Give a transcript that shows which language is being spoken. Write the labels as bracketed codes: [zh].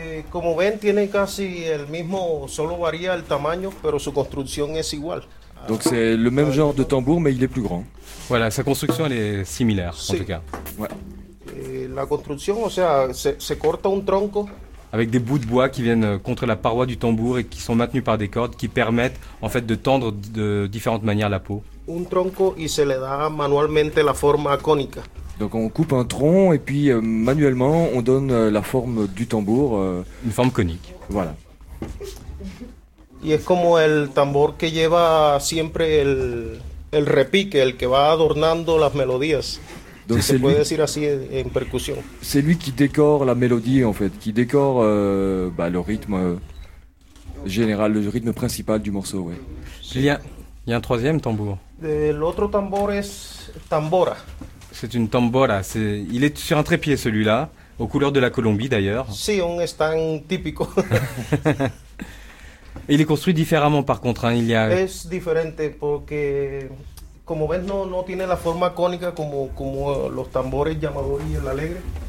[es] Como ven, tiene casi el mismo, solo varía el tamaño, pero su construcción es igual. [fr] Donc c'est le même genre de tambour, mais il est plus grand. Voilà, sa construction elle est similaire, [es] si. [fr] En tout cas. Ouais. La construction, [es] o sea, se corta un tronco. [fr] Avec des bouts de bois qui viennent contre la paroi du tambour et qui sont maintenus par des cordes qui permettent en fait de tendre de différentes manières la peau. [es] Un tronco y se le da manualmente la forma cónica. [fr] Donc on coupe un tronc et puis manuellement on donne la forme du tambour. Une forme conique. Voilà. [es] Y es como el tambor que lleva siempre el repique, el que va adornando las melodías. [fr] Donc [es] si se puede decir así en percusión. [fr] C'est lui qui décore la mélodie en fait, qui décore le rythme général, le rythme principal du morceau, ouais. Il y a un troisième tambour. L'autre tambour est tambora. C'est une tambora, il est sur un trépied celui-là, aux couleurs de la Colombie d'ailleurs. [es] Si, un stand típico. [fr] Il est construit différemment par contre, hein. [es] Es diferente porque como ven no tiene la forma cónica como los tambores llamador y el alegre.